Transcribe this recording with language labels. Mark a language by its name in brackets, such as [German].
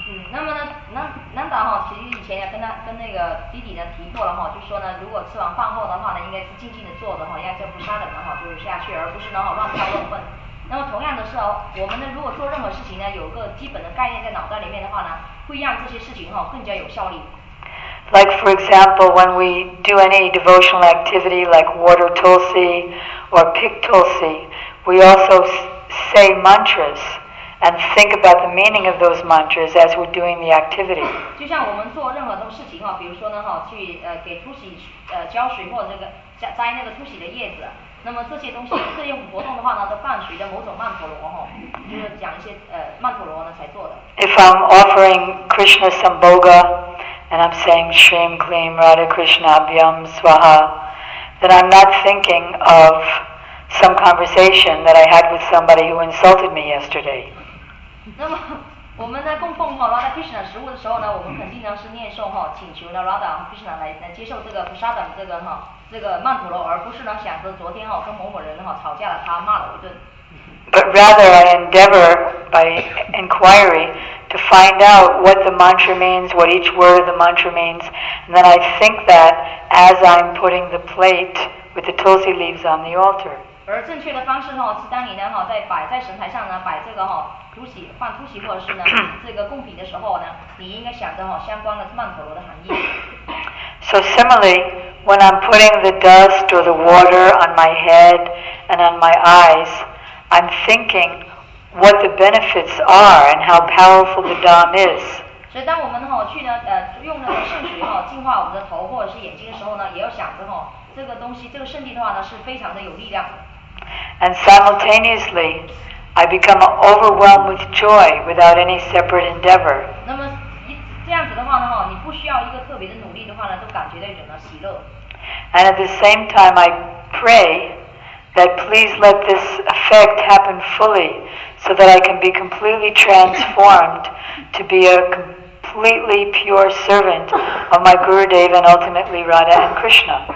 [Chinese] 那么呢，南达哈，其实以前也跟那个弟弟呢提过了哈，就说呢，如果吃完饭后的话呢，应该是静静的坐着哈，要这不沙的哈，就是下去，而不是呢哈乱跳乱蹦。那么同样的是哦，我们呢如果做任何事情呢，有个基本的概念在脑袋里面的话呢，会让这些事情哦更加有效率。 [English] Like for example, when we do any devotional activity like water tulsi or pick tulsi, we also say mantras and think about the meaning of those mantras as we're doing the activity. [Chinese] 就像我们做任何事情啊，比如说呢哈，去给兔洗浇水或者那个摘那个兔洗的叶子，那么这些东西这些活动的话呢，都伴随着某种曼陀罗哈，就是讲一些曼陀罗呢才做的。 [English] If I'm offering Krishna some bhoga. And I'm saying [Sanskrit] Shrim Klim Radha Krishna Abhyam Swaha, [English] then I'm not thinking of some conversation that I had with somebody who insulted me yesterday. [Chinese] 那么我们在供奉 Radha Krishna 食物的时候呢，我们肯定呢是念诵哈，请求呢 Radha Krishna 来接受这个 Prasada 这个哈这个曼陀罗，而不是呢想着昨天哈跟某某人哈吵架了，他骂了我一顿。 [English] But rather, I endeavor by inquiry to find out what the mantra means, what each word of the mantra means, and then I think that as I'm putting the plate with the tulsi leaves on the altar. [Chinese] 而正确的方式呢，是当你呢哈在摆在神台上呢摆这个哈tu xi放tu xi或者是呢这个贡品的时候呢，你应该想着哈相关的曼陀罗的含义。 [English] So similarly, when I'm putting the dust or the water on my head and on my eyes. I'm thinking what the benefits are and how powerful the Dham is. [Chinese] 所以当我们哈去呢用那个圣水哈净化我们的头或者是眼睛的时候呢，也要想着哈这个东西这个圣地的话呢是非常的有力量的。 [English] And simultaneously, I become overwhelmed with joy without any separate endeavor. [Chinese] 那么这样子的话呢哈，你不需要一个特别的努力的话呢，都感觉到一种呢喜乐。 [English] And at the same time, I pray. That please let this effect happen fully so that I can be completely transformed to be a completely pure servant of my Gurudev and ultimately Radha and Krishna.